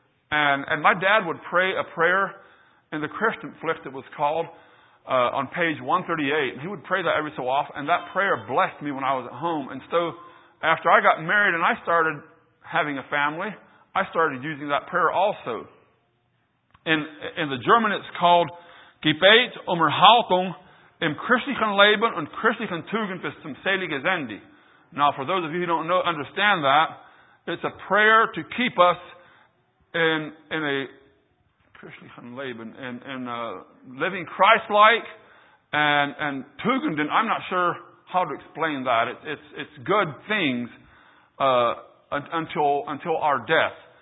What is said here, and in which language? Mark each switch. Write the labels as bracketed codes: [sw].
[en] And my dad would pray a prayer in the Christian Flift, it was called, on page 138. And he would pray that every so often, and that prayer blessed me when I was at home. And so after I got married and I started having a family, I started using that prayer also. In the German, it's called [de] Gebet um Erhaltung im christlichen Leben und christlichen Tugend bis zum seligen Ende. [en] Now, for those of you who don't understand that, it's a prayer to keep us in a [de] christlichen Leben, [en] in living Christ-like and Tugenden. I'm not sure how to explain that. It's good things until our death.